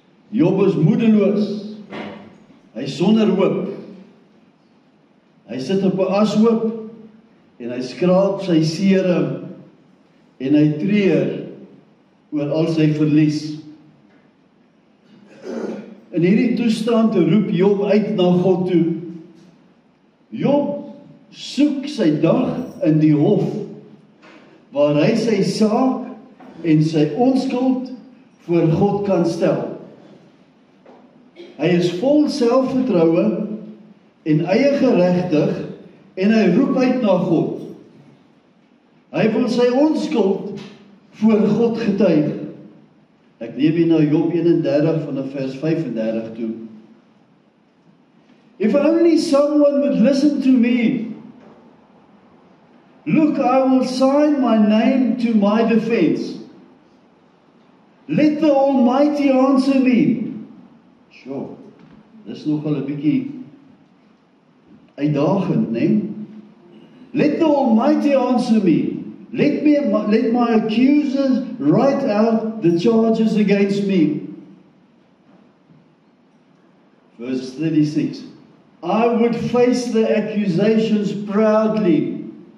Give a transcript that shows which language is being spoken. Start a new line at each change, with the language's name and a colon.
Afrikaans: Job is moedeloos, hy is sonder hoop. Hy sit op 'n ashoop en hy skraap sy sere en hy treur oor al sy verlies. In hierdie toestand roep Job uit na God toe. Job soek sy dag in die hof waar hy sy saak en sy onskuld voor God kan stel. Hy is vol selfvertroue en eie geregtig en hy roep uit na God. Hy wil sy onskuld voor God getuig. Ek neem hier nou Job 31 van vers 35 toe.
English: If only someone would listen to me, look, I will sign my name to my defense. Let the Almighty answer me.
Afrikaans: Sure, dis nogal 'n bietjie uitdagend, né?
English: Let the Almighty answer me. Let my accusers write out the charges against me. Verse 36. I would face the accusations proudly.